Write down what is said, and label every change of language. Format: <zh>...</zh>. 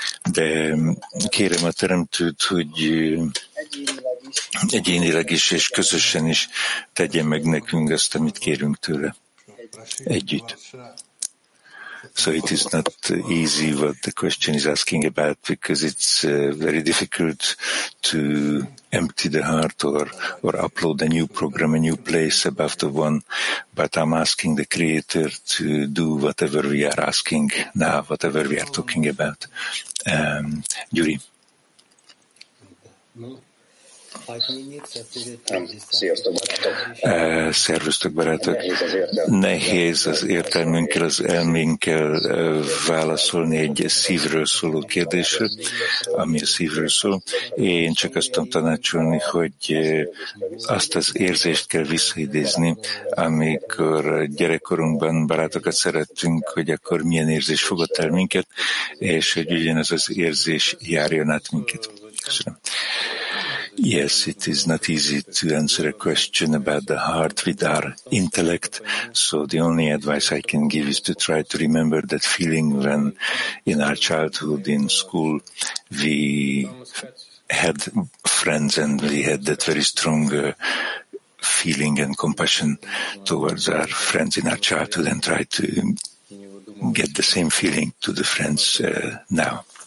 <hu>de kérem a Teremtőt, hogy egyénileg is és közösen is tegyen meg nekünk azt, amit kérünk tőle együtt.</hu> <en>So it is not easy what the question is asking about, because it's very difficult to empty the heart or upload a new program, a new place above the one. But I'm asking the Creator to do whatever we are asking now, whatever we are talking about. Yuri.</en> <hu>Szervusztok, barátok! Nehéz az értelmünkkel, az elménkkel válaszolni egy szívről szóló kérdésre, ami a szívről szól. Én csak azt tudom tanácsolni, hogy azt az érzést kell visszaidézni, amikor gyerekkorunkban barátokat szerettünk, hogy akkor milyen érzés fogott el minket, és hogy ugyanez az érzés járjon át minket. Köszönöm.</hu> <en>Yes, it is not easy to answer a question about the heart with our intellect. So the only advice I can give is to try to remember that feeling when in our childhood, in school, we had friends and we had that very strong feeling and compassion towards our friends in our childhood, and try to get the same feeling to the friends now.</en>